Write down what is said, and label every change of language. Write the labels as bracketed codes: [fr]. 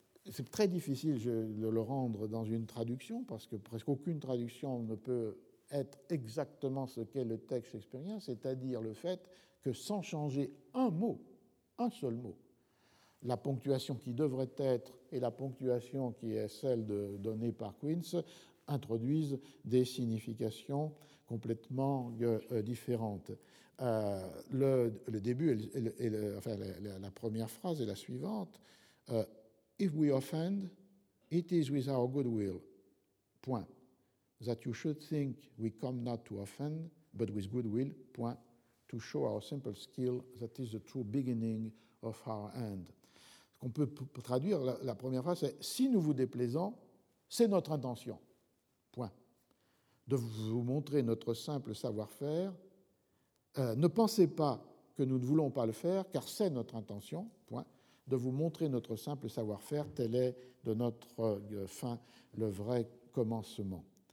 [fr] C'est très difficile de le rendre dans une traduction parce que presque aucune traduction ne peut être exactement ce qu'est le texte shakespearien, c'est-à-dire le fait que sans changer un mot, un seul mot, la ponctuation qui devrait être et la ponctuation qui est celle donnée par Quince introduisent des significations complètement différentes. Le début, la première phrase est la suivante. [en] If we offend, it is with our goodwill. [fr] Point. [en] That you should think we come not to offend, but with goodwill. [fr] Point. [en] To show our simple skill, that is the true beginning of our end. [fr] Ce qu'on peut traduire, la première phrase, c'est si nous vous déplaisons, c'est notre intention. Point. De vous montrer notre simple savoir-faire. Ne pensez pas que nous ne voulons pas le faire, car c'est notre intention. Point. De vous montrer notre simple savoir-faire, tel est de notre fin le vrai commencement.